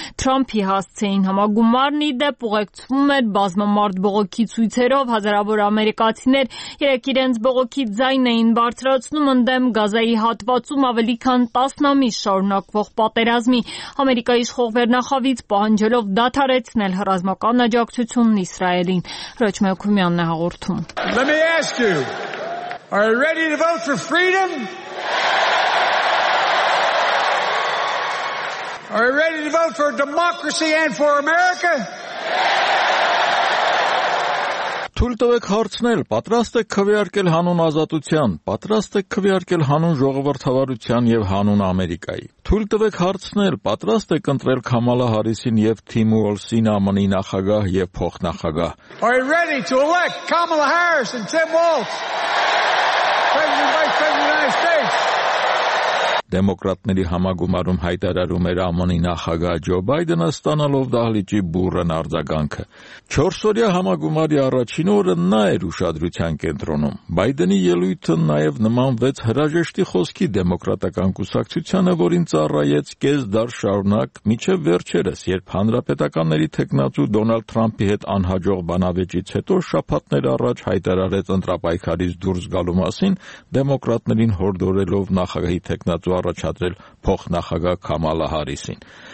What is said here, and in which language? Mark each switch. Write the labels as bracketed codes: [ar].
[hy] Թրամփի հասցեին համագումարն ի դեպ ուղեկցվում էր բազմամարդ բողոքի ցույցերով, հազարավոր ամերիկացիներ երեկ իրենց բողոքի ձայն էին բարձրացնում ընդդեմ Գազայի հատվածում ավելի քան 10 ամիս շարունակվող պատերազմի, Ամերիկայի իշխող վերնախավից պահանջելով դադարեցնել ռազմական աջակցությունն Իսրայելին։ Ռոջ Մելքումյանն է հաղորդում։ [en] Let me ask you, are you ready to vote for freedom? Are you ready to vote for democracy and for America? [hy] Թույլ տվեք հարցնել, պատրաստ եք քվեարկել հանուն ազատության, պատրաստ եք քվեարկել հանուն ժողովրդավարության և հանուն Ամերիկայի։ Թույլ տվեք հարցնել, պատրաստ եք ընտրել Քամալա Հարիսին և Թիմ Ուոլսին ԱՄՆ-ի նախագահ և փոխնախագահ։ [en] Are you ready to elect Kamala Harris and Tim Walz? [hy] Դեմոկրատների համագումարում հայտարարում էր ԱՄՆ-ի նախագահ Ջո Բայդենը ստանալով դահլիճի բուրըն արձագանքը։ Չորսօրյա համագումարի առաջին օրը նա էր ուշադրության կենտրոնում։ Բայդենի ելույթը նաև նմանվեց հրաժեշտի խոսքի դեմոկրատական կուսակցությանը, որին ծառայեց կես դար շարունակ, մինչև վերջերս, երբ հանրապետականների թեկնածու Դոնալդ Թրամփի հետ անհաջող բանավեճից հետո շաբաթներ առաջ հայտարարեց ընտրապայքարից դուրս գալու մասին, դեմոկրատներին հորդորելով նախագահի թեկնածու ու առաջադրել փոխնախագահ Քամալա Հարիսին։